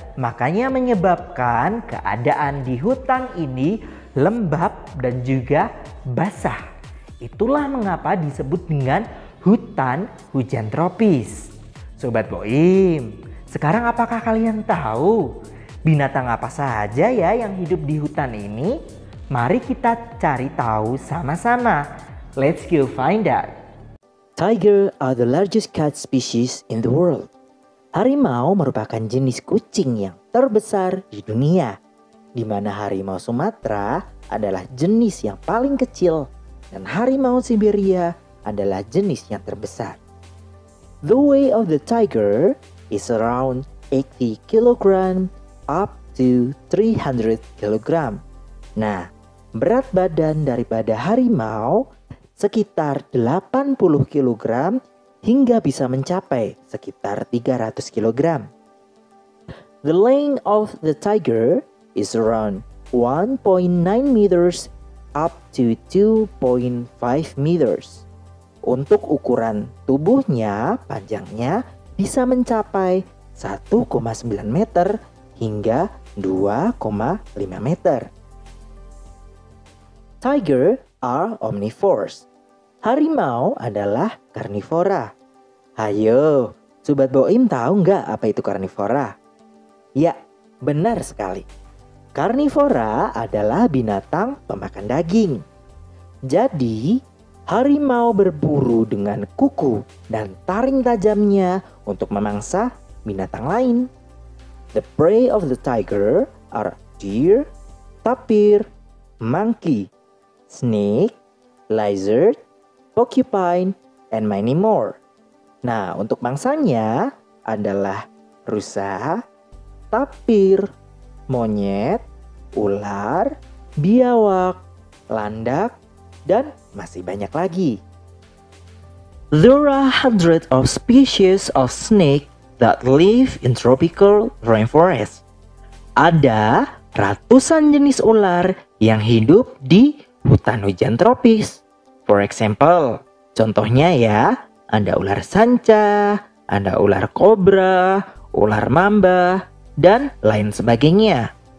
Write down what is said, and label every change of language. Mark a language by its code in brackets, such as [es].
[id] Makanya menyebabkan keadaan di hutan ini lembab dan juga basah. Itulah mengapa disebut dengan hutan hujan tropis. Sobat Boim, sekarang apakah kalian tahu binatang apa saja ya yang hidup di hutan ini? Mari kita cari tahu sama-sama. [en] Let's go find out. Tiger are the largest cat species in the world. [id] Harimau merupakan jenis kucing yang terbesar di dunia, di mana harimau Sumatera adalah jenis yang paling kecil dan harimau Siberia adalah jenis yang terbesar. [en] The weight of the tiger is around 80 kg up to 300 kg. [id] Nah, berat badan daripada harimau sekitar 80 kg hingga bisa mencapai sekitar 300 kg. [en] The length of the tiger is around 1.9 meters up to 2.5 meters. [id] Untuk ukuran tubuhnya, panjangnya bisa mencapai 1,9 meter hingga 2,5 meter. [en] Tiger are omnivores. [id] Harimau adalah karnivora. Ayo, Sobat Boim tahu nggak apa itu karnivora? Ya, benar sekali. Karnivora adalah binatang pemakan daging. Jadi, harimau berburu dengan kuku dan taring tajamnya untuk memangsa binatang lain. [en] The prey of the tiger are deer, tapir, monkey, snake, lizard, porcupine, and many more. [id] Nah, untuk mangsanya adalah rusa, tapir, monyet, ular, biawak, landak, dan masih banyak lagi. [en] There are hundreds of species of snake that live in tropical rainforest. [id] Ada ratusan jenis ular yang hidup di hutan hujan tropis. [en] For example, [id] contohnya ya, ada ular sanca, ada ular kobra, ular mamba, dan lain sebagainya.